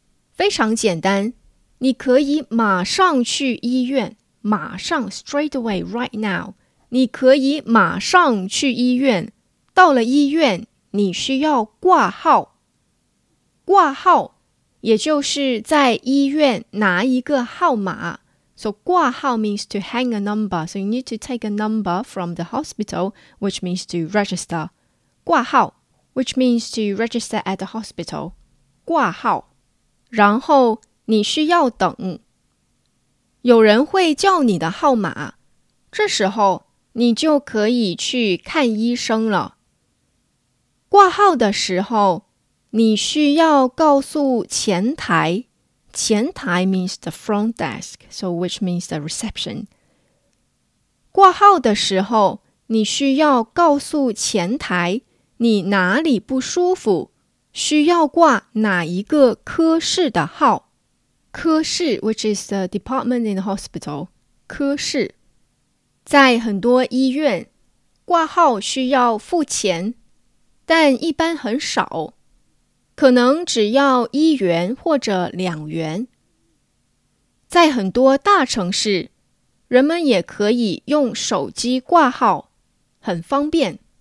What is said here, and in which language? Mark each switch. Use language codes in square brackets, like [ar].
[zh] 非常简单，你可以马上去医院，马上 [en] straight away right now。 [zh] 你可以马上去医院，到了医院你需要挂号。挂号也就是在医院拿一个号码。 [en] So 挂号 means to hang a number. So you need to take a number from the hospital, which means to register. 挂号 which means to register at the hospital. [zh] 挂号。然后你需要等。有人会叫你的号码。这时候你就可以去看医生了。挂号的时候你需要告诉前台，前台 [en] means the front desk, so which means the reception. [zh] 挂号的时候，你需要告诉前台你哪里不舒服，需要挂哪一个科室的号。 [en] 科室 which is the department in the hospital. [zh] 科室。在很多医院，挂号需要付钱，但一般很少。可能只要一元或者两元。在很多大城市，人们也可以用手机挂号，很方便。